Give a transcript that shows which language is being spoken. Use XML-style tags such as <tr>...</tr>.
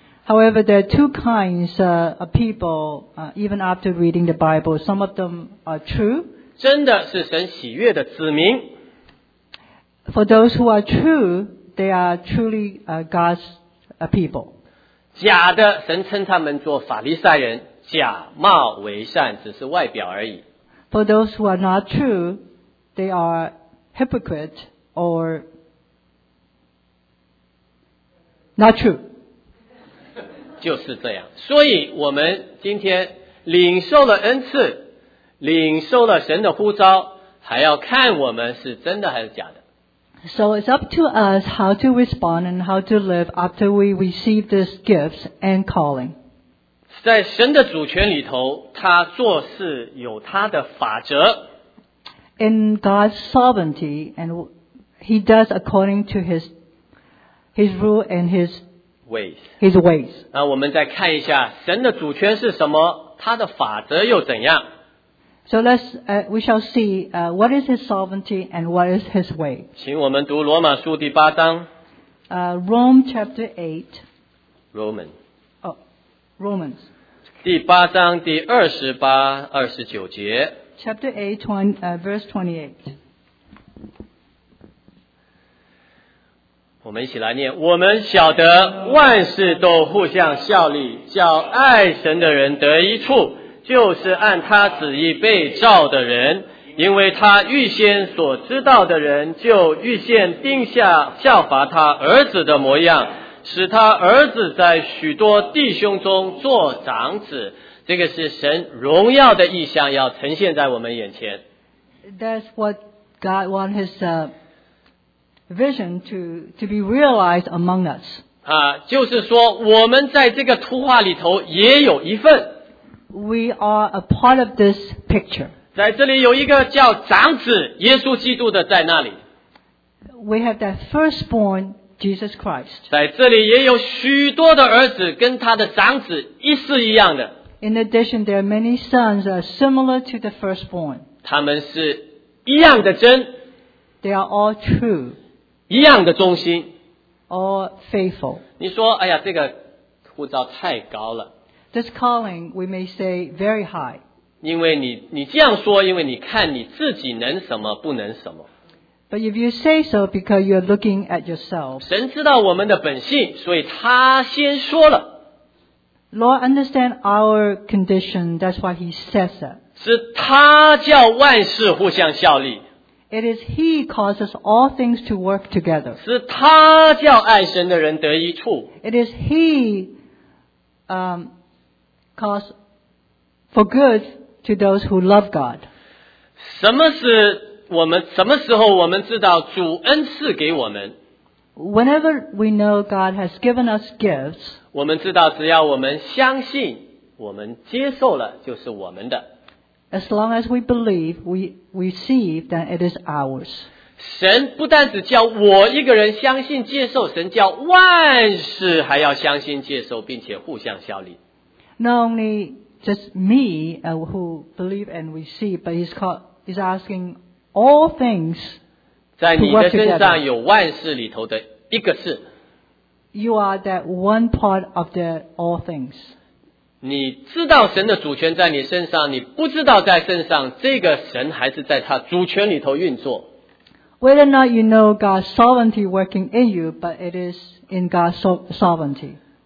<en>However, there are two kinds of people, even after reading the Bible, some of them are true.</en> <zh>真的是神喜悦的子民。</zh> <en>For those who are true, they are truly God's people.</en> <zh>假的，神称他们做法利赛人。假冒为善只是外表而已。</zh> <en>For those who are not true, they are hypocrite or not true.</en> <zh>就是这样。所以我们今天领受了恩赐，领受了神的呼召，还要看我们是真的还是假的。</zh> <en>So it's up to us how to respond and how to live after we receive these gifts and calling.</en> <zh>在神的主权里头，他做事有他的法则。</zh> <en>In God's sovereignty, and He does according to His rule and His ways. His ways.</en> <zh>那我们再看一下神的主权是什么，他的法则又怎样</zh> <en>？So let's we shall see what is His sovereignty and what is His way.</en> <zh>请我们读罗马书第八章。</zh> <en>Rome chapter 8. Roman. Romans.</en> <zh>第八章第二十八、二十九节。</zh> <en>Chapter 8, verse 28.</en> <zh>我们一起来念。我们晓得万事都互相效力，叫爱神的人得益处，就是按他旨意被造的人。因为他预先所知道的人，就预先定下效法他儿子的模样，使他儿子在许多弟兄中做长子。这个是神荣耀的意象要呈现在我们眼前。</zh> <en>That's what God wants his vision to be realized among us.</en> <zh>就是说我们在这个图画里头也有一份。</zh> <en>We are a part of this picture.</en> <zh>在这里有一个叫长子耶稣基督的在那里。</zh> <en>We have that firstborn,Jesus Christ.</en> <zh>在这里也有许多的儿子跟他的长子一是一样的。</zh> <en>In addition, there are many sons similar to the firstborn.</en> <zh>他们是一样的真。</zh> <en>They are all true.</en> <zh>一样的忠心。</zh> <en>All faithful.</en> <zh>你说，哎呀，这个护照太高了。</zh> <en>This calling, we may say, very high.</en> <zh>因为你这样说，因为你看你自己能什么，不能什么。</zh> <en>But if you say so because you're looking at yourself.</en> <zh>神知道我们的本性，所以他先说了。</zh> <en>Lord understand our condition, that's why he says it.</en> <zh>是他叫万事互相效力。</zh> <en>It is he causes all things to work together.</en> <zh>是他叫爱神的人得益处。</zh> <en>It is he, cause for good to those who love God.</en> <zh>什么是我们什么时候我们知道主恩赐给我们</zh> <en>？Whenever we know God has given us gifts，</en> <zh>我们知道只要我们相信，我们接受了就是我们的。</zh> <en>As long as we believe, we receive, then it is ours.</en> <zh>神不但只叫我一个人相信接受，神叫万事还要相信接受，并且互相效力。</zh> <en>Not only just me who believe and receive, but he's asking all things to work together.</en> <zh>在你的身上有万事里头的一个事。</zh> <en>You are that one part of the all things.</en> <zh>你知道神的主权在你身上，你不知道在身上，这个神还是在他主权里头运作。</zh> <en>Whether or not you know God's sovereignty working in you, but it is in God's sovereignty.</en>